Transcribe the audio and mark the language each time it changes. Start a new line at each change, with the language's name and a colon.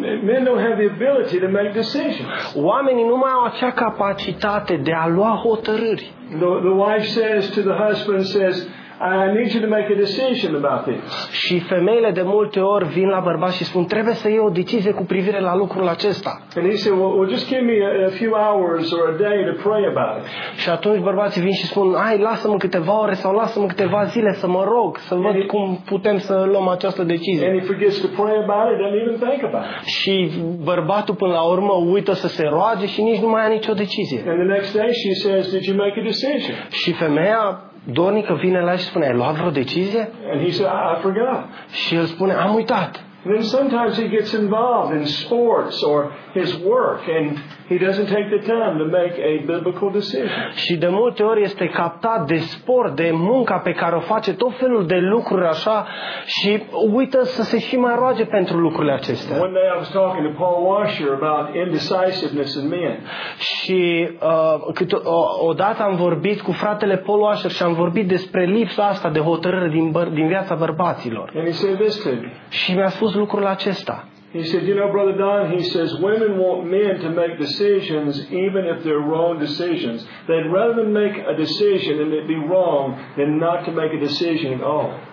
English: Men don't have the ability to make decisions.
Romanian: Oamenii nu mai au acea capacitate de a lua hotărâri.
English: The wife says to the husband, says, I need you to make a decision about this.
Romanian: Și femeile de multe ori vin la bărbați și spun trebuie să iei o decizie cu privire la lucrul acesta.
English: And he said, well, just give me a few hours or a day to pray about it.
Romanian: Și atunci bărbații vin și spun, hai, lasă-mă câteva ore sau lasă-mă câteva zile să mă rog, să văd cum putem să luăm această decizie.
English: And he forgets to pray about it and doesn't even think about it.
Romanian: Și bărbatul până la urmă uită să se roage și nici nu mai ia nicio decizie.
English: And the next day she says, did you make a decision?
Romanian: Și femeia dornică vine la și spune, ai luat vreo decizie?
English: And he said, I forgot.
Romanian: Și el spune, am uitat.
English: And then sometimes he gets involved in sports or his work and he doesn't take the time to make a biblical decision.
Romanian: Și de multe ori este captat de sport, de munca pe care o face, tot felul de lucruri așa și uită să se și mai roage pentru lucrurile acestea.
English: One day I was talking to Paul Washer about indecisiveness in men.
Romanian: Și odată am vorbit cu fratele Paul Washer și am vorbit despre lipsa asta de hotărâre din viața bărbaților.
English: And he said this to me.
Romanian: Și mi-a spus lucrul acesta.
English: He said, you know, Brother Don, he says, women want men to make decisions even if they're wrong decisions. They'd rather make a decision and it be wrong than not to make a decision at all.